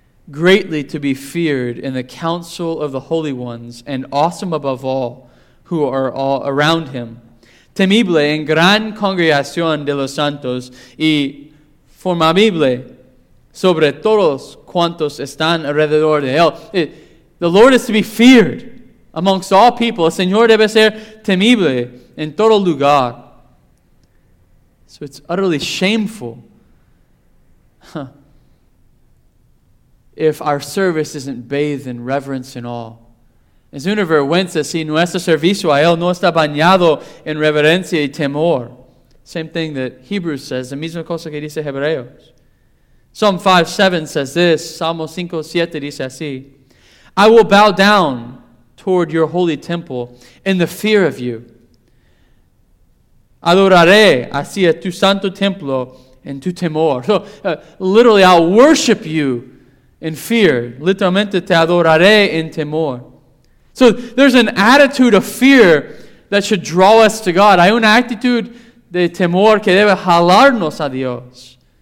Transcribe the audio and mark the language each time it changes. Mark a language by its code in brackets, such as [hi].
[en] Greatly to be feared in the council of the holy ones, and awesome above all who are all around him. [es] Temible en gran congregación de los santos, y formable sobre todos cuantos están alrededor de él. [en] The Lord is to be feared amongst all people. [es] El Señor debe ser temible en todo lugar. [en] So it's utterly shameful if our service isn't bathed in reverence and awe. [es] Es una vergüenza si nuestro servicio a Él no está bañado en reverencia y temor. [en] Same thing that Hebrews says, [es] la misma cosa que dice Hebreos. [en] Psalm 5:7 says this, [es] Salmo 5:7 dice así, [en] I will bow down toward your holy temple in the fear of you. [es] Adoraré hacia tu santo templo en tu temor. [en] So, literally, I'll worship you in fear. [es] Literalmente, te adoraré en temor. [en] So, there's an attitude of fear that should draw us to God. [es] Hay una actitud de temor que debe jalarnos a Dios.